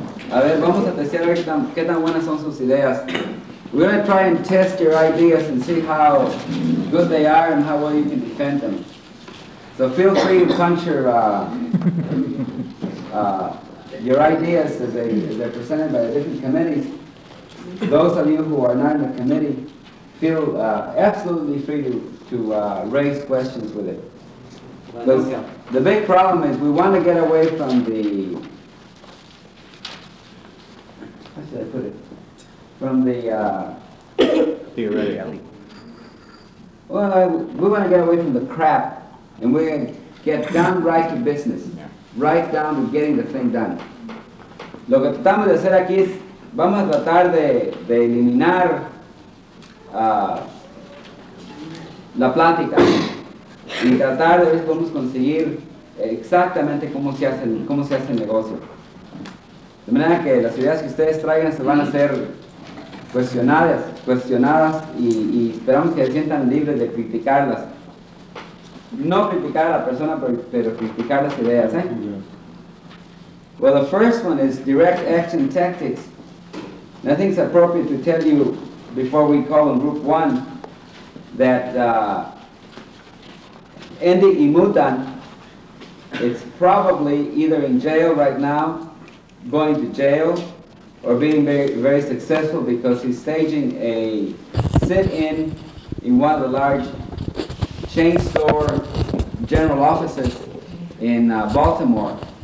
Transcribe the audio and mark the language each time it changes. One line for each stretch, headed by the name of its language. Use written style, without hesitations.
Spanish: A ver, vamos a testear qué tan buenas son sus ideas.
English: We're going to try and test your ideas and see how good they are and how well you can defend them. So feel free to punch your ideas as they're presented by the different committees. Those of you who are not in the committee, feel absolutely free to raise questions with it. Because the big problem is we want to get away from the, how should I put it, from the theoretically. Well, we want to get away from the crap, and we're going to get down right to business, right down to getting the thing done.
Spanish: Lo que tratamos de hacer aquí es, vamos a tratar de eliminar la plática y tratar de ver cómo conseguir exactamente cómo se hace el negocio. De manera que las ideas que ustedes traigan se van a ser cuestionadas y esperamos que se sientan libres de criticarlas. No criticar a la persona, pero criticar las ideas, ¿eh?
English: Well, the first one is direct action tactics. And I think it's appropriate to tell you, before we call on group one, that Andy Imutan is probably either in jail right now, going to jail, or being very, very successful because he's staging a sit-in in one of the large chain store general offices in Baltimore.